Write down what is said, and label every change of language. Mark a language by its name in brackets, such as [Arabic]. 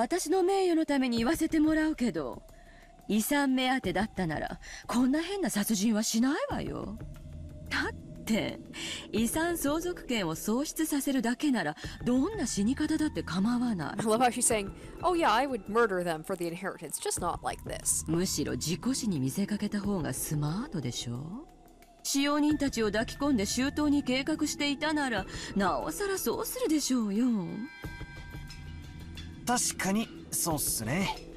[Japanese] だから私たちがゲストハウスに戻ってきた時間は24時過ぎだと証明してくれると思うわよ。もっとも、私の仮説通り、使用人たちもグルなのだとしたら、こんなのアリバイにならないけどね。確かにそうっすね。ってことは、俺、今、真犯人と推理ごっこをしてるってことになるんすか?でも私の名誉のために言わせてもらうけど、遺産目当てだったなら、こんな変な殺人はしないわよ。だって、遺産相続権を喪失させるだけなら、どんな死に方だって構わない。 [English] I love how she's saying, oh yeah, I would murder them for the inheritance, just not like this. [Japanese] むしろ事故死に見せかけた方がスマートでしょ。使用人たちを抱き込んで周到に計画していたなら、なおさらそうするでしょうよ。確かに、そうっすね。